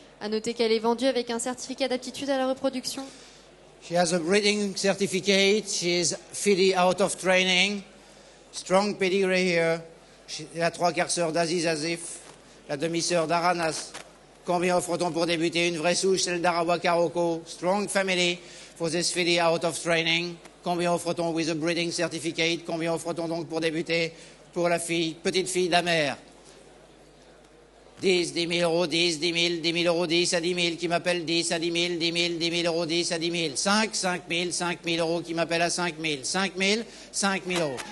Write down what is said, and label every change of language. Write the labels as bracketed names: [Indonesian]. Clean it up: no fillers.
[French] A noter qu'elle est vendue avec un certificat d'aptitude à la reproduction. [English] She has a breeding certificate. She is fully out of training. Strong pedigree here. [French] She, la trois quarts sœur d'Aziz Azif, la demi-sœur d'Aranas. Combien offre-t-on pour débuter? Une vraie souche, celle d'Arawa Karoko. [English] Strong family for this filly out of training. [French] Combien offre-t-on [English] with a breeding certificate? [French] Combien offre-t-on donc pour débuter pour la fille, petite fille de la mère? 10, 10 000 euros, 10, 10 000, 10 000 euros, 10 à 10 000, qui m'appelle 10 à 10 000, 10 000, 10 000 euros, 10 à 10 000. 5, 5 000, 5 000 euros, qui m'appelle à 5 000. 5 000, 5 000 euros.